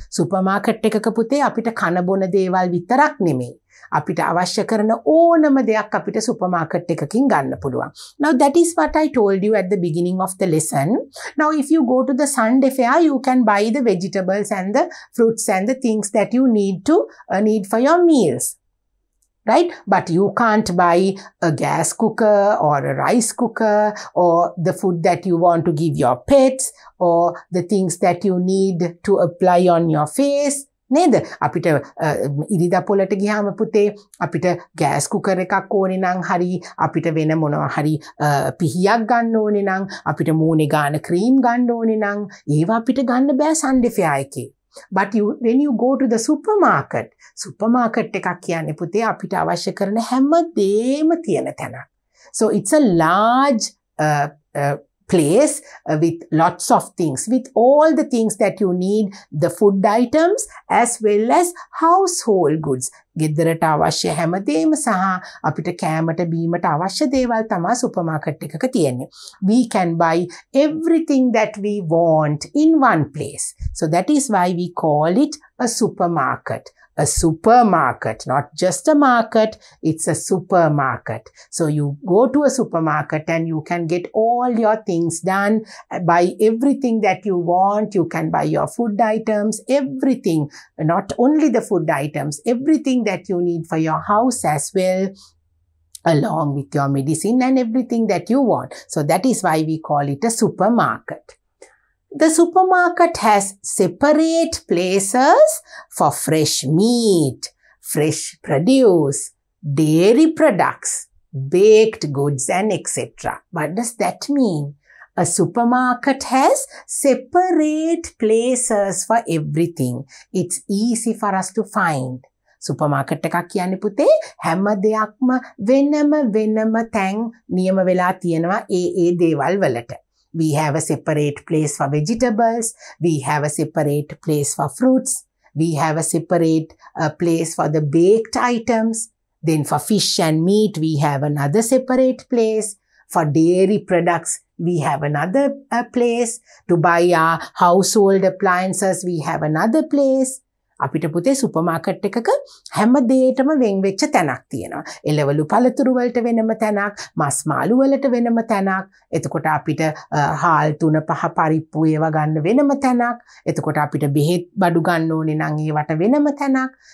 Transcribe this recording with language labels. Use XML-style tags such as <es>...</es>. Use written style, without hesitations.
<si>Supermarket එකක පුතේ අපිට කන බොන දේවල් විතරක් නෙමෙයි. අපිට අවශ්‍ය කරන ඕනම දෙයක් අපිට supermarket එකකින් ගන්න පුළුවන්.</si> <en>Now that is what I told you at the beginning of the lesson. Now if you go to the Sunday fair, you can buy the vegetables and the fruits and the things that you need for your meals. right? But you can't buy a gas cooker or a rice cooker or the food that you want to give your pets or the things that you need to apply on your face.</en> <si>නේද අපිට ඉරිදා පොලට ගියාම පුතේ අපිට gas cooker එකක් ඕනේ නම් හරි අපිට වෙන මොනවා හරි පිහියක් ගන්න ඕනේ නම් අපිට මූණේ ගාන ක්‍රීම් ගන්න ඕනේ නම් ඒවා අපිට ගන්න බෑ සන්ඩිෆයා එකේ</si> <en>but you when you go to the supermarket</en> <si>supermarket එකක් කියන්නේ පුතේ අපිට අවශ්‍ය කරන හැම දෙම තියෙන තැන</si> <en>so it's a large place with lots of things, with all the things that you need, the food items as well as household goods.</en> <si>ගෙදරට අවශ්‍ය හැමදේම සහ අපිට කෑමට බීමට අවශ්‍ය දේවල් තමයි සුපර්මාකට් එකක තියෙන්නේ.</si> <en>We can buy everything that we want in one place. So that is why we call it a supermarket. A supermarket, not just a market, it's a supermarket. So you go to a supermarket and you can get all your things done, buy everything that you want, you can buy your food items, everything, not only the food items, everything that you need for your house as well, along with your medicine and everything that you want. So that is why we call it a supermarket. The supermarket has separate places for fresh meat, fresh produce, dairy products, baked goods, and etc. What does that mean? A supermarket has separate places for everything. It's easy for us to find.</en> <si>Supermarket එකක් කියන්නේ පුතේ හැම දෙයක්ම වෙනම වෙනම තැන් නියම වෙලා තියෙනවා ඒ ඒ දේවල් වලට.</si> <en>We have a separate place for vegetables. We have a separate place for fruits. We have a separate place for the baked items. Then for fish and meat, we have another separate place. For dairy products, we have another place. To buy our household appliances, we have another place.</en> <si>අපිට පුතේ super market එකක හැම දෙයකටම වෙන් වෙච්ච තැනක් තියෙනවා. එළවලු පළතුරු වලට වෙනම තැනක්, මස් මාළු වලට වෙනම තැනක්. එතකොට අපිට හාල් තුන පහ පරිප්පු ඒවා ගන්න වෙනම තැනක්. එතකොට අපිට බෙහෙත් බඩු ගන්න ඕනේ නම් ඒවට වෙනම තැනක්.</si>